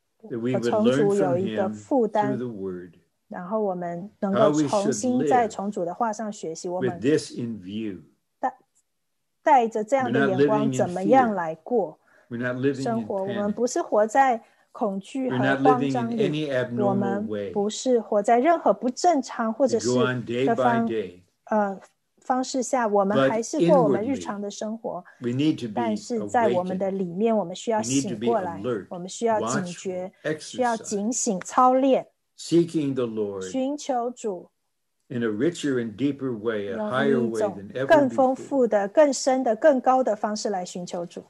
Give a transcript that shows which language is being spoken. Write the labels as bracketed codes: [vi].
[en] that we would learn from him through the word. [zh] 然后我们能够重新在从主的话上学习，我们 [en] with this in view. [zh] 带着这样的眼光怎么样来过 [en] We're not living in panic. [zh] 我们不是活在恐惧和慌张里。我们不是活在任何不正常或者是的方 方式下，我们还是过我们日常的生活。 [en] We need to be awakened. [zh] 但是在我们的里面，我们需要醒过来。我们需要警觉， [en] exercise, [zh] 需要警醒操练。 [en] Seeking the Lord. [zh] 寻求主。 [en] In a richer and deeper way, a higher way than ever before. [zh] 更丰富的、更深的、更高的方式来寻求主。